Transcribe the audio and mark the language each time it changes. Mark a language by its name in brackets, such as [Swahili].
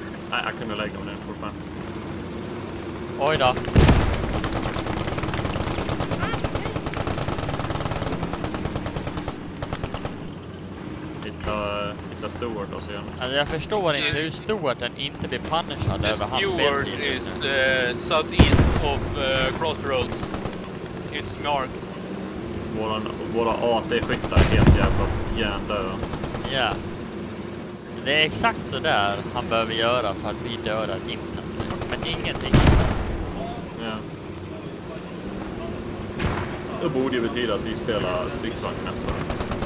[Swedish] Nej, jag kunde lägga mig ner fortfarande. Oj då. Hitta Stuart och se honom. Alltså jag förstår inte hur Stuart den inte blir punished över hans speltid. [English] Stuart is the southeast of Crossroads. It's marked. [Swedish] Våra AT-skyttar är helt jävla järndöda. Ja. Det är exakt så där han behöver göra för att bli dödad instantly. Men ingenting. Det borde ju betyda att vi spelar stridsvagn nästa.